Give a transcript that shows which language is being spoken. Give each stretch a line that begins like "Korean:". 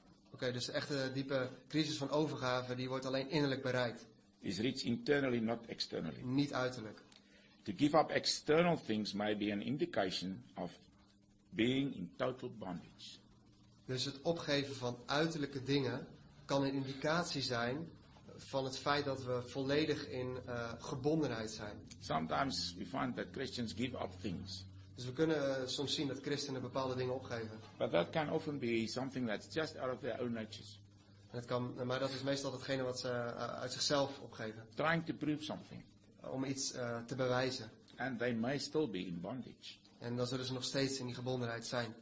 Dutch: Oké, dus de echte diepe crisis van overgave, die wordt alleen innerlijk bereikt.
English: Is reached internally, not externally.
Dutch: Niet uiterlijk.
English: To give up external things may be an indication of being in total bondage.
Dutch: Dus het opgeven van uiterlijke dingen kan een indicatie zijn van het feit dat we volledig in gebondenheid zijn.
English: Sometimes we find that Christians give up things.
Dutch: Dus we kunnen soms zien dat christenen bepaalde dingen opgeven.
English: But that can often be something that's just out of their own natures.
Dutch: Het kan, maar dat is meestal datgene wat ze uit zichzelf opgeven.
English: Trying to prove something.
Dutch: Om iets te bewijzen.
English: And they may still be in bondage.
Dutch: En dan zullen ze nog steeds in die gebondenheid zijn.